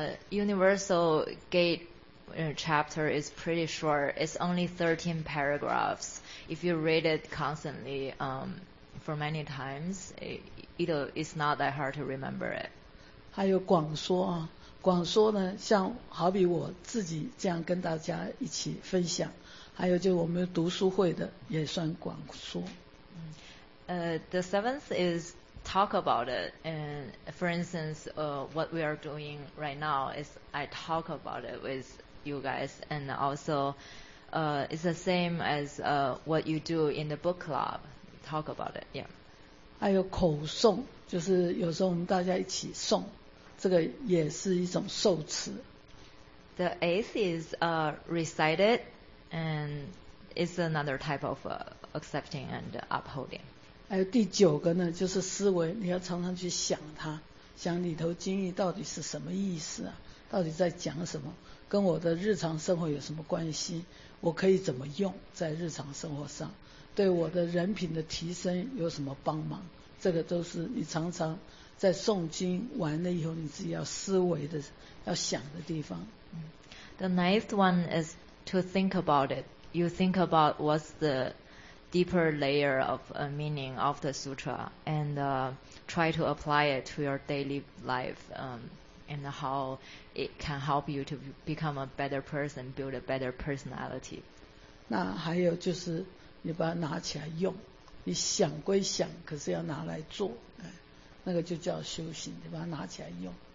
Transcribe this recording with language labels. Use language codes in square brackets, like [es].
[en] Universal Gate chapter is pretty short. It's only 13 paragraphs. If you read it constantly for many times, it's not that hard to remember it. [zh] 还有广说啊，广说呢，像好比我自己这样跟大家一起分享，还有就我们读书会的也算广说。 [en] The seventh is talk about it. And for instance, what we are doing right now is I talk about it with you guys. And also, it's the same as what you do in the book club. Talk about it, yeah. [zh] 还有口诵，就是有时候我们大家一起诵，这个也是一种受持。 [en] The eighth is recited, and it's another type of accepting and upholding. [zh] 还有第九个呢，就是思维，你要常常去想它，想里头经义到底是什么意思啊，到底在讲什么，跟我的日常生活有什么关系，我可以怎么用在日常生活上，对我的人品的提升有什么帮忙，这个都是你常常在诵经完了以后你自己要思维的，要想的地方。 [en] The ninth one is to think about it. You think about what's theDeeper layer of meaning of the sutra and try to apply it to your daily life and how it can help you to become a better person, build a better personality. [zh] 那还有就是你把它拿起来用，你想归想，可是要拿来做，那个就叫修行，你把它拿起来用。